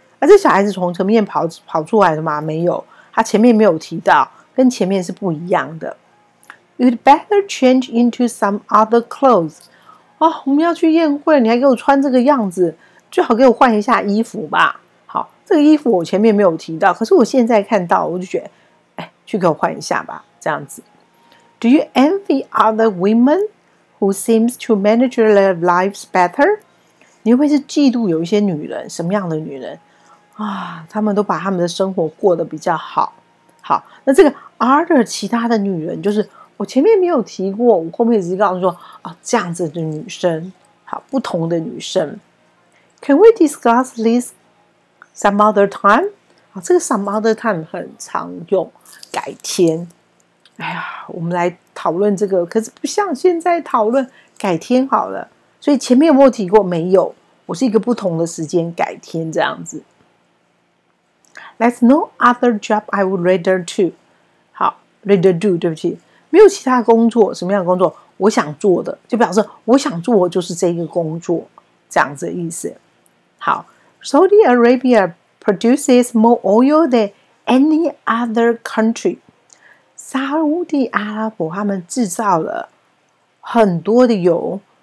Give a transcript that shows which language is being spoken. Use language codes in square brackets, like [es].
[zh] 而这小孩子从前面 跑出来的吗？没有，他前面没有提到，跟前面是不一样的。 [en] You'd better change into some other clothes。 [zh] 哦，我们要去宴会，你还给我穿这个样子，最好给我换一下衣服吧。好，这个衣服我前面没有提到，可是我现在看到我就觉得去给我换一下吧，这样子。 [en] Do you envy other women who seems to manage their lives better？ [zh] 你会不会是嫉妒有一些女人，什么样的女人啊？她们都把她们的生活过得比较好。好，那这个 other 其他的女人，就是我前面没有提过，我后面只是告诉说啊，这样子的女生，好，不同的女生。 [en] Can we discuss this some other time？ [zh] 啊，这个 [en] some other time [zh] 很常用，改天。哎呀，我们来讨论这个，可是不像现在讨论，改天好了。所以前面有没有提过？没有，我是一个不同的时间改天这样子。 [en] There's no other job I would rather to。 [zh] 好 ， [en] rather do， [zh] 对不起，没有其他工作，什么样的工作？我想做的，就表示我想做就是这个工作，这样子的意思。 [en] 好 ，Saudi Arabia produces more oil than any other country。 [zh] 沙特阿拉伯他们制造了很多的油。